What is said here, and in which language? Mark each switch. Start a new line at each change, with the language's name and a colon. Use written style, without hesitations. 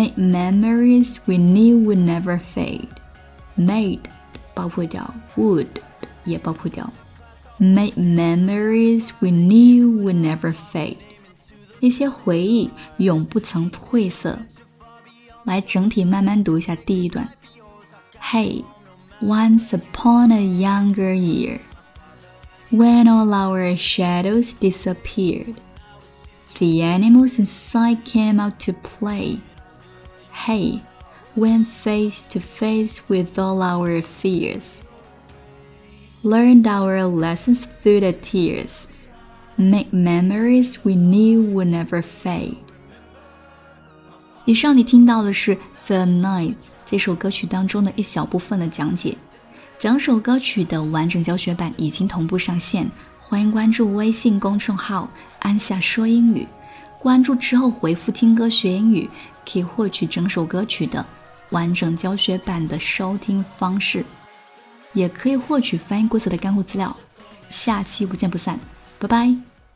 English: Make memories we knew would never fade.
Chinese: Made 爆破掉， would 也爆破掉。
English: Make memories we knew would never fade.
Chinese: 那些回忆永不曾褪色。来整体慢慢读一下第一段。 Hey,
English: Once upon a younger year, when all our shadows disappeared, the animals inside came out to play. Hey, when face to face with all our fears, learned our lessons through the tears, make memories we knew would never fade.
Chinese: 以上你听到的是 The Nights 这首歌曲当中的一小部分的讲解，整首歌曲的完整教学版已经同步上线，欢迎关注微信公众号安夏说英语，关注之后回复听歌学英语，可以获取整首歌曲的完整教学版的收听方式，也可以获取翻译规则的干货资料。下期不见不散，拜拜。